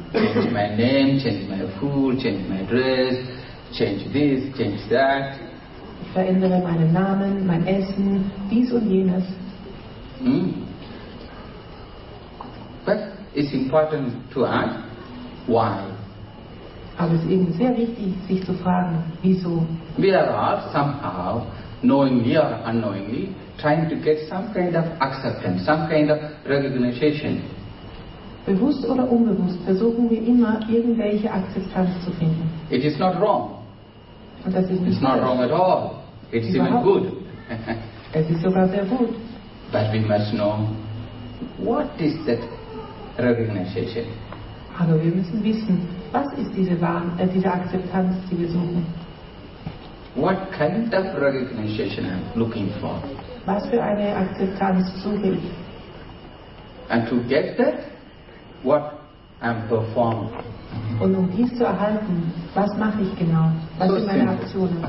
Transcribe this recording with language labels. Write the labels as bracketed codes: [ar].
[en] Change my name, change my food, change my dress, change this, change that. [de] Ich verändere meinen Namen, mein Essen, dies und jenes. [en] But it's important to ask why. [de] Aber es ist eben sehr wichtig, sich zu fragen, wieso. [en] We are all somehow, knowingly or unknowingly, trying to get some kind of acceptance, some kind of recognition. [de] Bewusst oder unbewusst versuchen wir immer, irgendwelche Akzeptanz zu finden. [en] It is not wrong. [de] Und das ist nicht [en] it's not wrong at all. It's even good. [de] Es ist sogar sehr gut. [en] But we must know, what is that recognition? [de] Aber wir müssen wissen, was ist diese Akzeptanz, die wir suchen? [en] What kind of recognition I'm looking for? [de] Was für eine Akzeptanz suche ich? [en] And to get that, what and perform. [de] Und um dies zu erhalten, was mache ich genau? Was sind meine Aktionen?